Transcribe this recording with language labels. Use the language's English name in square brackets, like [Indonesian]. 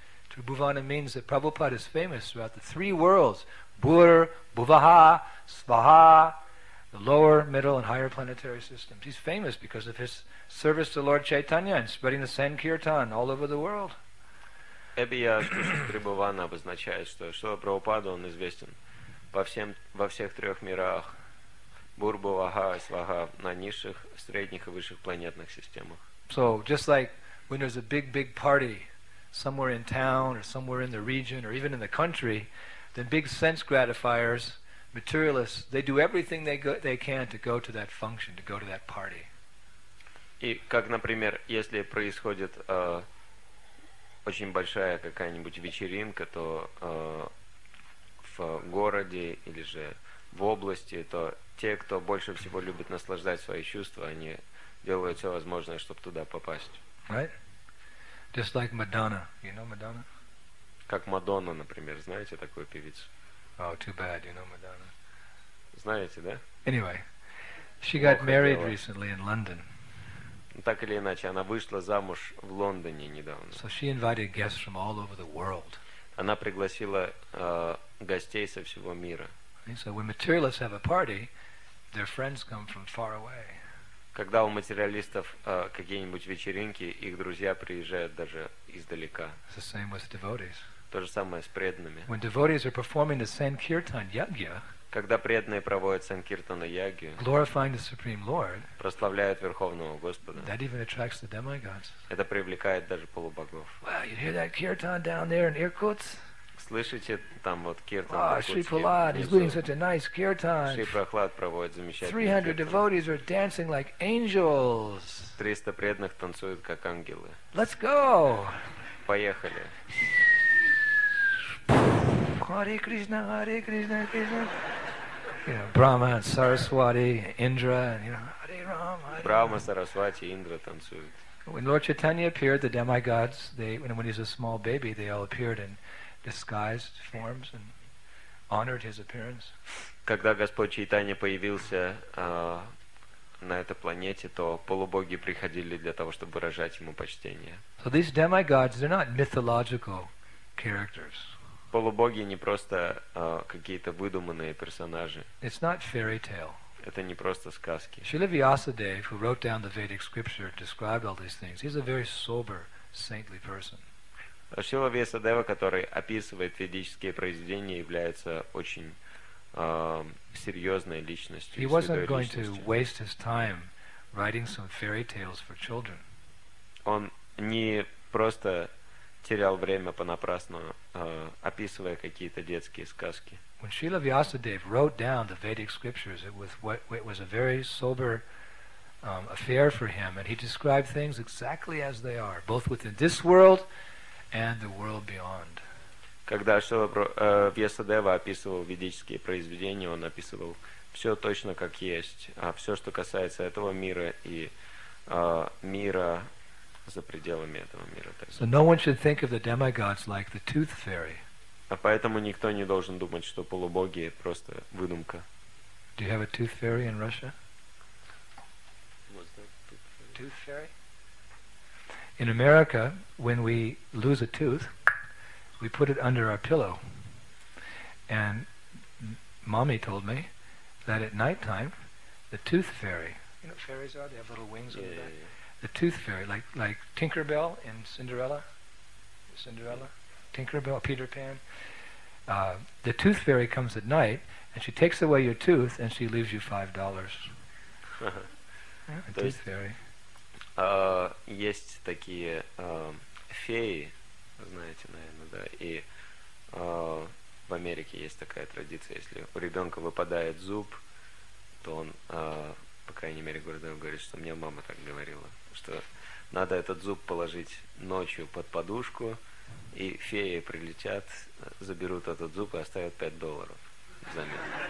[English] Трибувана means that Prabhupada is famous throughout the three worlds: Бур, Бувага, Сваха. The lower, middle, and higher planetary systems. He's famous because of his service to Lord Chaitanya and spreading the Sankirtan all over the world. [Russian] Эбияш-кукша-трибувана обозначает, что Шрила Прабхупада, он известен во всех трех мирах, Бурбу, Ваха, Свага, на низших, средних и высших планетных системах. [English] So, just like when there's a big, big party somewhere in town or somewhere in the region or even in the country, then big sense gratifiers, materialists, they do everything they can to go to that function, to go to that party. [Russian] И как, например, если происходит очень большая какая-нибудь вечеринка, то в городе или же в области, то те, кто больше всего любит наслаждать свои чувства, они делают все возможное, чтобы туда попасть. [English] Right? Just like Madonna. You know Madonna? [Russian] Как Мадонна, например, знаете такую певицу? [English] Oh, too bad, you know Madonna. [Russian] Знаете, да? [English] Anyway, she got married recently in London. [Russian] Так или иначе, она вышла замуж в Лондоне недавно. [English] So she invited guests from all over the world. [Russian] Она пригласила гостей со всего мира. [English] So when materialists have a party, their friends come from far away. [Russian] Когда у материалистов какие-нибудь вечеринки, их друзья приезжают даже издалека. [English] It's the same with devotees. [Russian] То же самое с преданными. [English] When devotees are performing the Sankirtan Yagya, [Russian] когда преданные проводят Санкиртана Ягью, [English] glorifying the Supreme Lord, [Russian] прославляют Верховного Господа, [English] that even attracts the demigods. [Russian] Это привлекает даже полубогов. [English] Wow, you hear that kirtan down there in Irkutsk? [Russian] Слышите там вот киртан? [English] Wow, Shri Prahlad is leading such a nice kirtan. [Russian] Шри Прохлад проводит замечательный kirtan. [English] 300 devotees are dancing like angels. [Russian] 300 преданных танцуют как ангелы. [English] Let's go. [Russian] Поехали. [Sanskrit] Hare Krishna, Hare Krishna, Krishna. [English] You know, Brahma and Saraswati, Indra, you know, Hare Rama. [Russian] Brahma, Saraswati, Indra танцуют. [English] When Lord Chaitanya appeared, the demigods, when he was a small baby, they all appeared in disguised forms and honored his appearance. [Russian] Когда Господь Чайтанья появился на этой планете, то полубоги приходили для того, чтобы выражать ему почтение. [English] So these demigods, they're not mythological characters. [Russian] Полубоги не просто какие-то выдуманные персонажи. [English] It's not fairy tale. [Russian] Это не просто сказки. [English] Srila Vyasadeva, who wrote down the Vedic scripture, described all these things. He's a very sober, saintly person. [Russian] Srila Vyasadeva, который описывает ведические произведения, является очень серьезной личностью. [English] He wasn't going to waste his time writing some fairy tales for children. [Russian] Он не просто терял время понапрасну, описывая какие-то детские сказки. [English] When Srila Vyasadeva wrote down the Vedic scriptures, it was a very sober affair for him, and he described things exactly as they are, both within this world and the world beyond. [Russian] Когда Шрила Вьясадева описывал ведические произведения, он описывал все точно как есть, а все, что касается этого мира и мира за пределами этого мира. [English] So no one should think of the demigods like the tooth fairy. [Russian] А поэтому никто не должен думать, что полубоги просто выдумка. [English] Do you have a tooth fairy in Russia? What's that? Tooth fairy? In America, when we lose a tooth, we put it under our pillow. And mommy told me that at night time, the tooth fairy, you know what fairies are? They have little wings on the back. Yeah. The tooth fairy, like Tinkerbell in Cinderella, Tinkerbell, Peter Pan. The tooth fairy comes at night, and she takes away your tooth, and she leaves you $5. Yeah, the tooth fairy. [Russian] Есть такие феи, знаете, наверное, да, и в Америке есть такая традиция, если у ребенка выпадает зуб, то он, по крайней мере, говорит, что мне мама так говорила, что надо этот зуб положить ночью под подушку, и феи прилетят, заберут этот зуб и оставят $5 взамен.